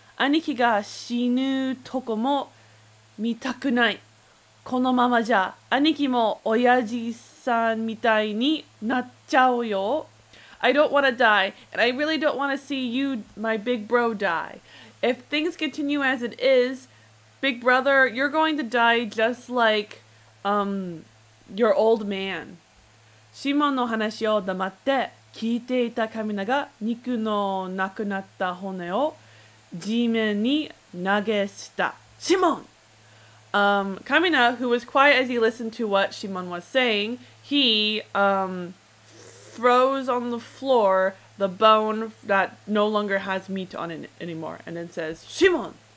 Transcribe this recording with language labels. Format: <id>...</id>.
<ja>兄貴が死ぬとこも見たくない。このままじゃ、兄貴も親父さんみたいになっちゃうよ。</ja> <en>I don't want to die, and I really don't want to see you, my big bro, die. If things continue as it is, big brother, you're going to die just like, your old man.</en> <ja>シモンの話を黙って、聞いていたカミナが肉のなくなった骨を地面に nageshita. Shimon!</ja> <en>Kamina, who was quiet as he listened to what Shimon was saying, he throws on the floor the bone that no longer has meat on it anymore, and then says, Shimon!</en>